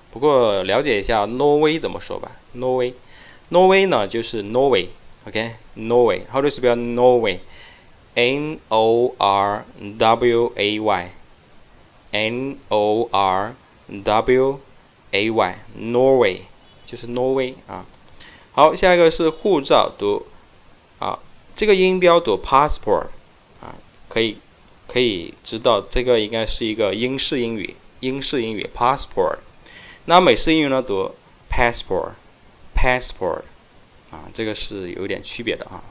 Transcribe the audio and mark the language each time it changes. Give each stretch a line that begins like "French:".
Chinese: 不过了解一下挪威怎么说吧。挪威呢就是 Norway，OK，Norway。
English: How do you spell Norway？Norway
Chinese: 就是挪威啊。好，下一个是护照，读啊。这个音标读 passport 啊，可以知道这个应该是一个英式英语 passport。那美式英语呢读 passport 啊，这个是有点区别的啊。